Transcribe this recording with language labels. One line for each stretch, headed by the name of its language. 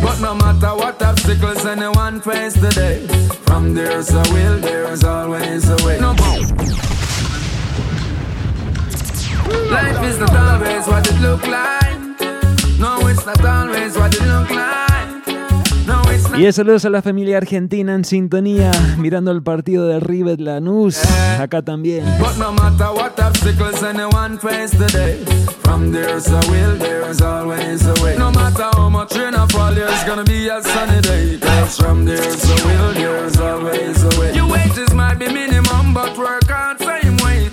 English: But no matter what obstacles anyone face today, from there's a will, there's always a way. No, life is not always what it look like. No, it's not always what it look like.
Spanish: Y saludos a la familia argentina en sintonía, mirando el partido de River Lanús, acá también.
English: But no matter what obstacles anyone face today, from there's a will, there's always a way. No matter how much rain or fall, there's gonna be a sunny day. Cause from there's a will, there's always a way. Your wages might be minimum, but work hard same way.